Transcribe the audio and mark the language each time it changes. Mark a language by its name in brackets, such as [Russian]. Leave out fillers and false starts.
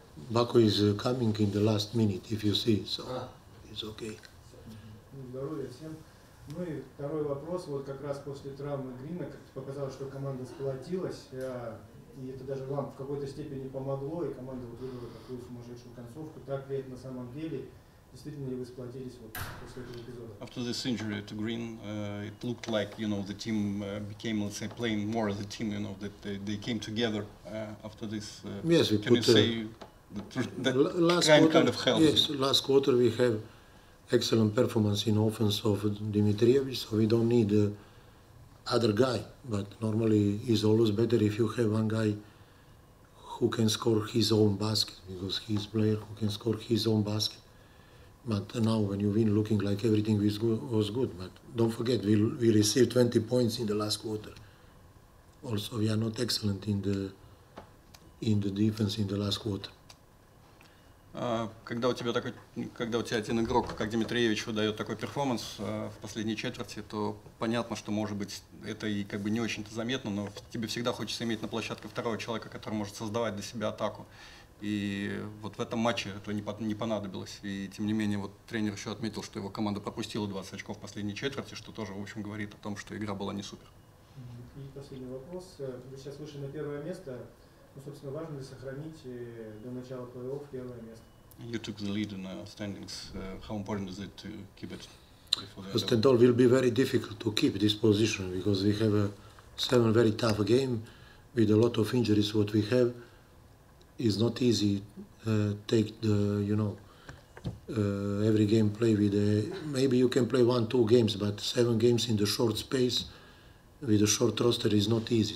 [English] Баку is coming in the last minute, if you see, so it's okay. [Russian] Здоровья всем. Ну и второй вопрос, вот как раз после травмы Грина, как показалось, что команда сплотилась. И это даже вам в какой-то степени помогло, и команда выиграла такую сумасшедшую концовку. Так ли это на самом деле? Действительно ли вы сплотились вот после этого эпизода? [English] After this injury to Green, it looked like, you know, the team became, let's say, playing more as a team, you know, that they came together after this. Yes, we can put, you say that last Green quarter, kind of helped? Yes, last quarter we have excellent performance in offense of Dimitrijevic, so we don't need other guy, but normally it's always better if you have one guy who can score his own basket, because he's a player who can score his own basket. But now when you win, looking like everything was good, but don't forget, we received 20 points in the last quarter. Also, we are not excellent in the defense in the last quarter. [Russian] Когда у тебя такой, когда у тебя один игрок, как Дмитриевич, выдает такой перформанс в последней четверти, то понятно, что, может быть, это и как бы не очень-то заметно, но тебе всегда хочется иметь на площадке второго человека, который может создавать для себя атаку. И вот в этом матче это не понадобилось. И тем не менее, вот тренер еще отметил, что его команда пропустила 20 очков в последней четверти, что тоже, в общем, говорит о том, что игра была не супер. И последний вопрос. Вы сейчас вышли на первое место. Ну, собственно, важно ли сохранить до начала плей-офф первое место? [English] You took the lead in standings. How important is it to keep it? First of all, will be very difficult to keep this position because we have seven very tough game with a lot of injuries. What we have is not easy. Take the, you know, every game play with maybe you can play one, two games, but seven games in the short space with a short roster is not easy.